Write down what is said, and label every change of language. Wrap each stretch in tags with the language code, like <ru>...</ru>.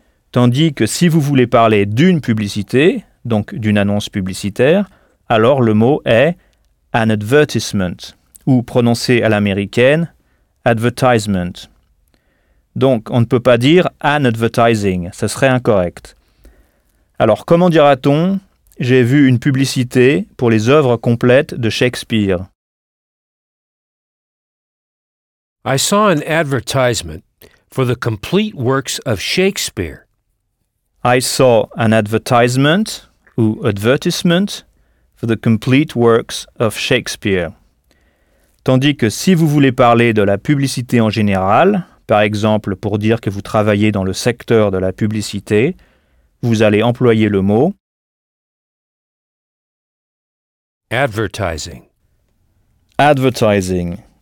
<fr>Tandis que si vous voulez parler d'une publicité, donc d'une annonce publicitaire, alors le mot est « an advertisement », ou prononcé à l'américaine « advertisement ». Donc, on ne peut pas dire « an advertising », ce serait incorrect. Alors, comment dira-t-on « j'ai vu une publicité pour les œuvres complètes de Shakespeare »?</fr> <en>I saw an advertisement for the complete works of Shakespeare. I saw an advertisement, ou advertisement, for the complete works of Shakespeare.</en> <fr>Tandis que si vous voulez parler de la publicité en général, par exemple, pour dire que vous travaillez dans le secteur de la publicité, vous allez employer le mot</fr> <en>advertising. Advertising.</en>